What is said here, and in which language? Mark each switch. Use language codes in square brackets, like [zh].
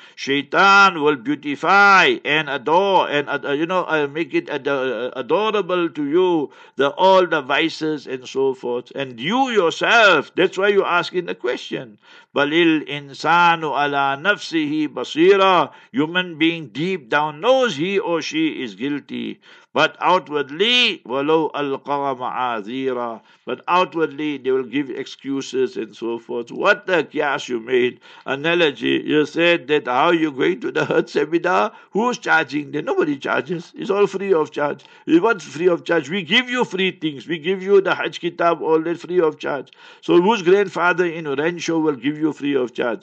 [en] Shaitan will beautify and adore and, you know, make it adorable to you, all the vices and so forth. And you yourself, that's why you're asking the question. [ar] بَلِلْ إِنسَانُ عَلَىٰ نَفْسِهِ بَصِيرًا. [en] Human being deep down knows he or she is guilty. But outwardly, [ar] وَلَوْ أَلْقَى مَعَذِيرًا. [en] But outwardly, they will give excuses and so forth. What a qiyas you made. Analogy. You said that how you going to the Hajj seminar? Who's charging there? Nobody charges. It's all free of charge. What's free of charge? We give you free things. We give you the Hajj kitab, all that free of charge. So whose grandfather in Rancho will give you free of charge?